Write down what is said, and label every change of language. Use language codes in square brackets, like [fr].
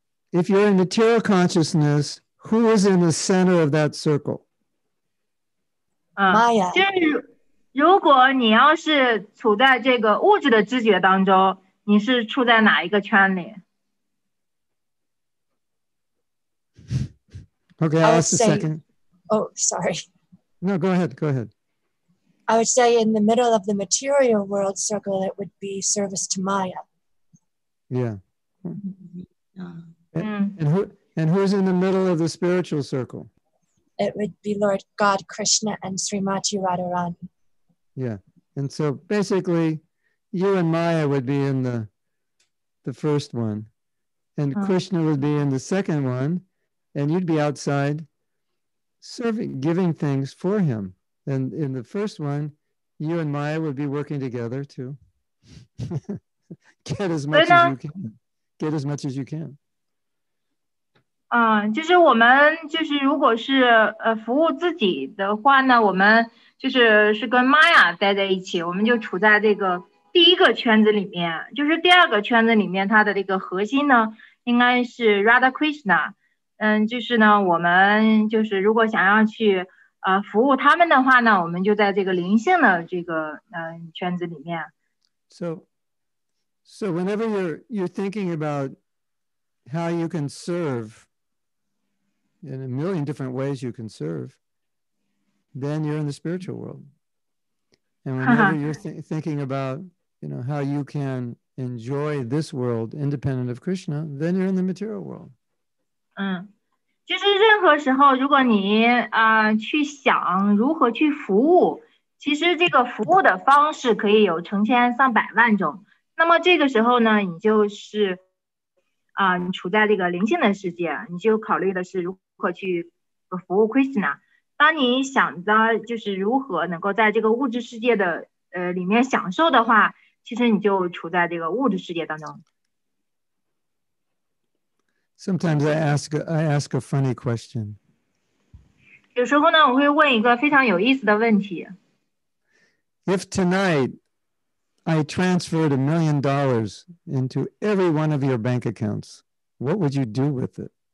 [en] If you're in material consciousness, who is in the center of that circle? Maya. [zh] 如果你要是处在这个物质的知觉当中，你是处在哪一个圈里？ [en] Okay, I'll ask a second. Oh, sorry. No, go ahead. I would say in the middle of the material world circle, it would be service to Maya. Yeah. And who's in the middle of the spiritual circle? It would be Lord God Krishna and Srimati Radharani. Yeah, and so basically, you and Maya would be in the first one, and Krishna would be in the second one, and you'd be outside serving, giving things for him. And in the first one, you and Maya would be working together to get as much as you can. [zh] 就是我们就是如果是服务自己的话呢，我们就是是跟玛雅待在一起，我们就处在这个第一个圈子里面，就是第二个圈子里面它的这个核心呢应该是 Radha Krishna。就是呢我们就是如果想要去服务他们的话呢，我们就在这个灵性的这个圈子里面。 [en] So whenever you're thinking about how you can serve in a million different ways you can serve, then you're in the spiritual world. And whenever you're thinking about, you know, how you can enjoy this world independent of Krishna, then you're in the material world. [zh] 就是任何时候如果你去想如何去服务，其实这个服务的方式可以有成千上百万种。那么这个时候呢，你就是你处在这个灵性的世界，你就考虑的是如何去服务 Krishna。当你想着就是如何能够在这个物质世界的里面享受的话，其实你就处在这个物质世界当中。 [en] Sometimes I ask a funny question. [zh] 有时候呢，我会问一个非常有意思的问题。 [en] If tonight I transferred $1 million into every one of your bank accounts, what would you do with it?